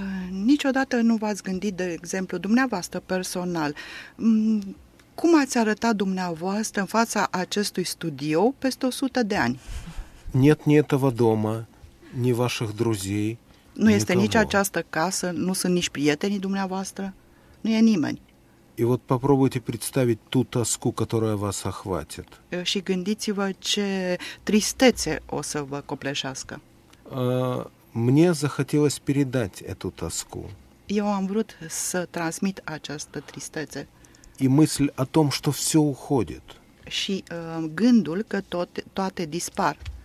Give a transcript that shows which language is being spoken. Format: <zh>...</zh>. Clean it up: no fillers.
<ro>Niciodată nu v-ați gândit, de exemplu, dumneavoastră personal, cum ați arătat dumneavoastră în fața acestui studio peste 100 de ani?</ro> <ru>Нет ни этого дома, ни ваших друзей.</ru> <ro>Nu este nici această casă, nu sunt nici prietenii dumneavoastră, nu e nimeni.</ro> <ru>И вот попробуйте представить ту тоску, которая вас охватит.</ru> <ro>Și gândiți-vă ce tristețe o să vă copleșească.</ro> <ru>Мне захотелось передать эту тоску.</ru> <ro>Eu am vrut să transmit această tristețe.</ro> <ru>И мысль о том, что все уходит.</ru> <ro>Și gândul că toate dispar.</ro>